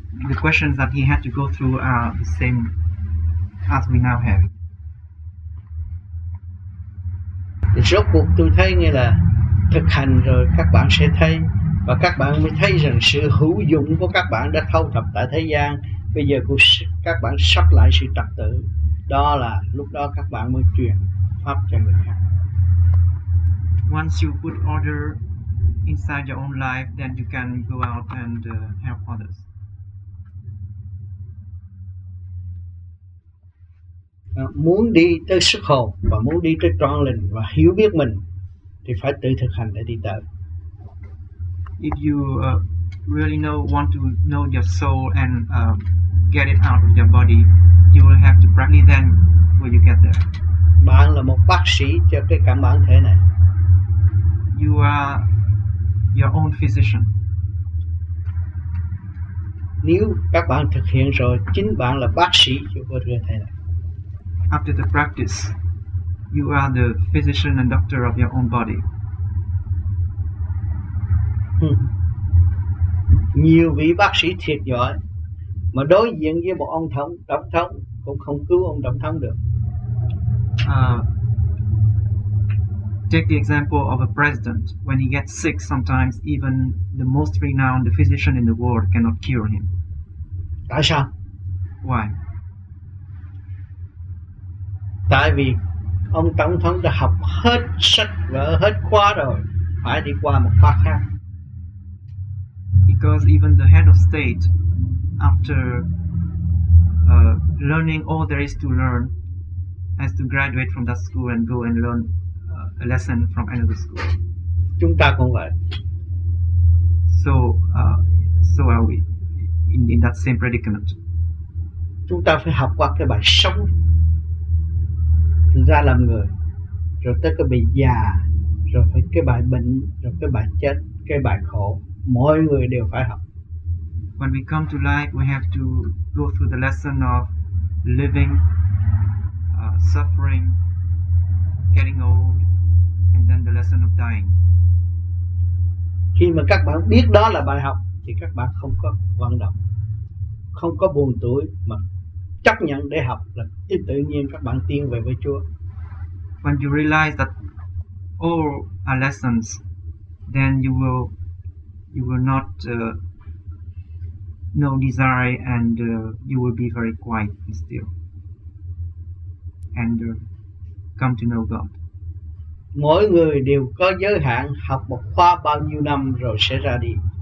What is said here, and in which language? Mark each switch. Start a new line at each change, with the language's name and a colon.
English: The questions that he had to go through are the same as we now have.
Vietnamese: Rốt cuộc tôi thấy như là thực hành rồi các bạn sẽ thấy, và các bạn mới thấy rằng sự hữu dụng của các bạn đã thâu thập tại thế gian. Bây giờ các bạn sắp lại sự trật tự. Đó là lúc đó các bạn mới truyền pháp cho người khác.
English: Once you put order inside your own life, then you can go out and help others.
Vietnamese: Muốn đi tới sức hồn và muốn đi tới trọn lành và hiểu biết mình thì phải tự thực hành để đi tới.
English: If you really want to know your soul and get it out of your body, you will have to practice then when you get there.
Vietnamese: Bạn là một bác sĩ cho cái cảm bản thể này.
English: You are your own physician.
Vietnamese: Nếu các bạn thực hiện rồi, chính bạn là bác sĩ cho cơ thể này.
English: After the practice, you are the physician and doctor of your own body.
Vietnamese: Nhiều vị bác sĩ thiệt giỏi mà đối diện với một ông thống, tổng thống cũng không cứu ông tổng thống được.
English: Take the example of a president. When he gets sick, sometimes even the most renowned physician in the world cannot cure him.
Vietnamese: Tại sao?
English: Why?
Vietnamese: Tại vì ông tổng thống đã học hết sách vở, hết khóa rồi, phải đi qua một khóa khác.
English: Because even the head of state, after learning all there is to learn, has to graduate from that school and go and learn a lesson from another school.
Vietnamese: Chúng ta cũng vậy.
English: So are we in that same predicament.
Vietnamese: chúng ta phải học qua cái bài sống ra làm người, rồi tới cái bài già, rồi phải cái bài bệnh, rồi cái bài chết, cái bài khổ, mỗi người đều phải học.
English: When we come to life, we have to go through the lesson of living, suffering, getting old, and then the lesson of dying.
Vietnamese: Khi mà các bạn biết đó là bài học thì các bạn không có vận động, không có buồn tuổi, mà chấp nhận để học là tự nhiên các bạn tiến về với Chúa.
English: When you realize that all are lessons, then you will not no desire, and you will be very quiet and still, and come to know God.
Vietnamese: Mỗi người đều có giới hạn, học một khóa bao nhiêu năm rồi sẽ ra đi.